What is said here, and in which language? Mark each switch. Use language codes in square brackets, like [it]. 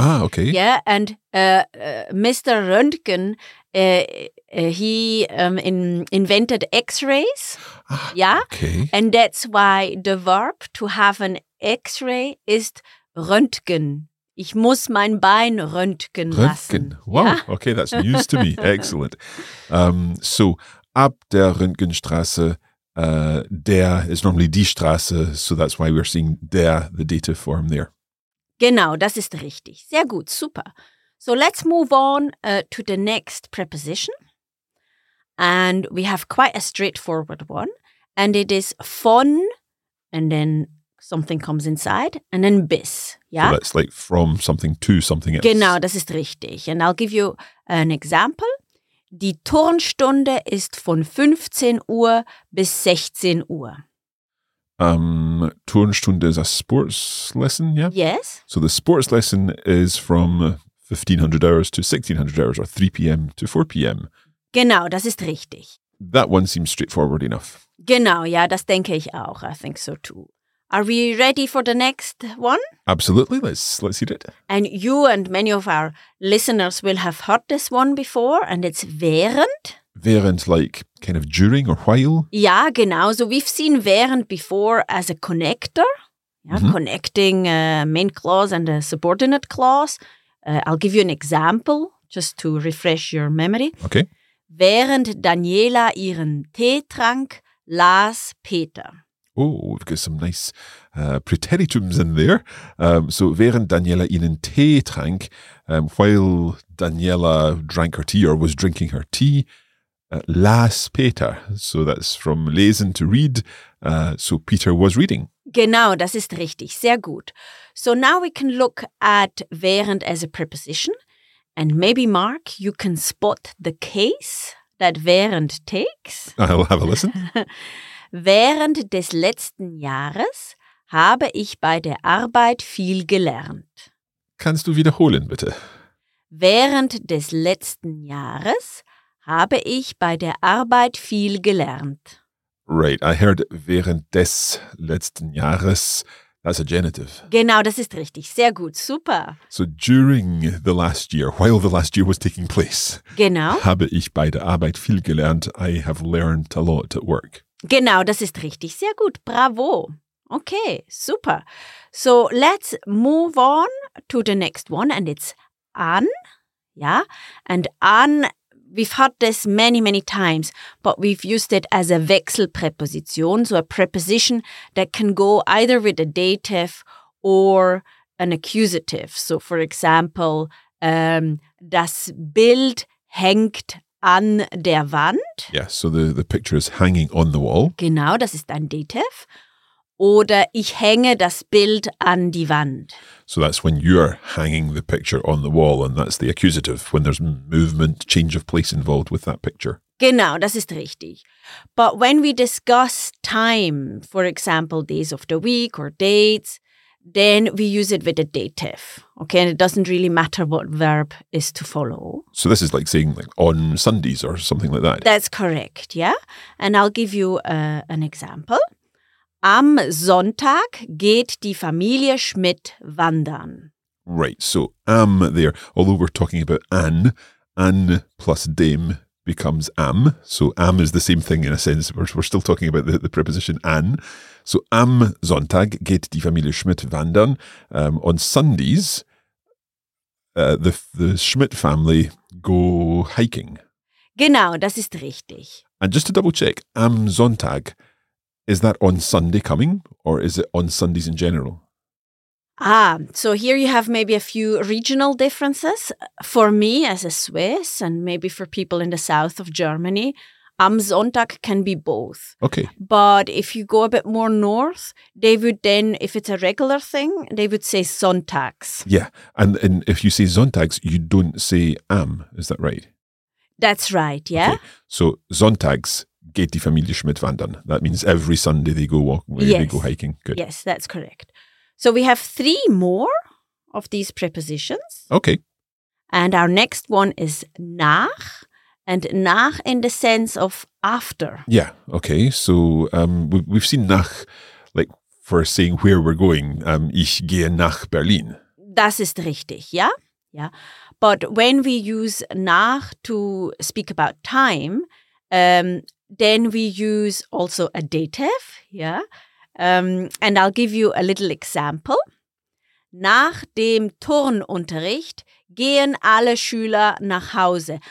[en] Ah, okay. Yeah, and Mr. Röntgen, he invented X-rays. Ah, yeah. Okay. And that's why the verb to have an X-ray is Röntgen. [de] Ich muss mein Bein röntgen lassen. [en] Wow. Yeah? Okay, that's news to me. Excellent. [de] So ab der Röntgenstraße. [en] Der is normally die Straße, so that's why we're seeing der, the dative form there. [de] Genau, das ist richtig. Sehr gut, super. [en] So let's move on to the next preposition. And we have quite a straightforward one. And it is von, and then something comes inside, and then bis. Yeah? So that's like from something to something else. [de] Genau, das ist richtig. [en] And I'll give you an example. [de] Die Turnstunde ist von 15 Uhr bis 16 Uhr. [en] Turnstunde is a sports lesson, yeah? Yes. So the sports lesson is from 1500 hours to 1600 hours, or 3 p.m. to 4 p.m. [de] Genau, das ist richtig. [en] That one seems straightforward enough. [de] Genau, ja, das denke ich auch. [en] I think so too. Are we ready for the next one? Absolutely. Let's hear it. And you and many of our listeners will have heard this one before, and it's während. Während, like, kind of during or while? [de] Ja, genau. [en] So we've seen während before as a connector, yeah, mm-hmm. connecting a main clause and a subordinate clause. I'll give you an example, just to refresh your memory. Okay. [de] Während Daniela ihren Tee trank, las Peter. [en] Oh, we've got some nice preteritums in there. So [de] während Daniela ihren Tee trank, [en] while Daniela drank her tea or was drinking her tea, [de] las Peter. [en] So that's from lesen to read. So Peter was reading. [de] Genau, das ist richtig. Sehr gut. [en] So now we can look at während as a preposition. And maybe, Mark, you can spot the case that während takes. I'll have a listen. [de] Während des letzten Jahres habe ich bei der Arbeit viel gelernt. Kannst du wiederholen, bitte? Während des letzten Jahres habe ich bei der Arbeit viel gelernt. [en] Right, I heard [de] während des letzten Jahres. [en] That's a genitive. [de] Genau, das ist richtig. Sehr gut, super. [en] So during the last year, while the last year was taking place. [de] Genau. Habe ich bei der Arbeit viel gelernt. [en] I have learned a lot at work. [de] Genau, das ist richtig. Sehr gut. Bravo. Okay, super. [en] So let's move on to the next one and it's an. Ja, and an, we've had this many, many times, but we've used it as a Wechselpräposition, so a preposition that can go either with a dative or an accusative. So for example, [de] das Bild hängt an der Wand. [en] Yes, so the picture is hanging on the wall. [de] Genau, das ist ein Dativ. Oder ich hänge das Bild an die Wand. [en] So that's when you're hanging the picture on the wall and that's the accusative, when there's movement, change of place involved with that picture. [de] Genau, das ist richtig. [en] But when we discuss time, for example, days of the week or dates, then we use it with a dative, okay? And it doesn't really matter what verb is to follow. So this is like saying like on Sundays or something like that. That's correct, yeah? And I'll give you an example. [de] Am Sonntag geht die Familie Schmidt wandern. [en] Right, so am there. Although we're talking about an plus dem becomes am. So am is the same thing in a sense. We're still talking about the preposition an. [de] So am Sonntag geht die Familie Schmidt wandern. [en] On Sundays, the Schmidt family go hiking. [de] Genau, das ist richtig. [en] And just to double check, am Sonntag, is that on Sunday coming or is it on Sundays in general? Ah, so here you have maybe a few regional differences. For me as a Swiss and maybe for people in the south of Germany, am Sonntag can be both. Okay. But if you go a bit more north, they would then, if it's a regular thing, they would say Sonntags. Yeah. And if you say Sonntags, you don't say am. Is that right? That's right. Yeah. Okay. [de] So Sonntags geht die Familie Schmidt wandern. [en] That means every Sunday they go walking, yes. They go hiking. Good. Yes, that's correct. So we have three more of these prepositions. Okay. And our next one is nach. And nach in the sense of after. Yeah, okay. So we've seen nach, like for saying where we're going. [de] Ich gehe nach Berlin. Das ist richtig, ja? Ja. [en] But when we use nach to speak about time, then we use also a dative, yeah? And I'll give you a little example. [de] Nach dem Turnunterricht gehen alle Schüler nach Hause.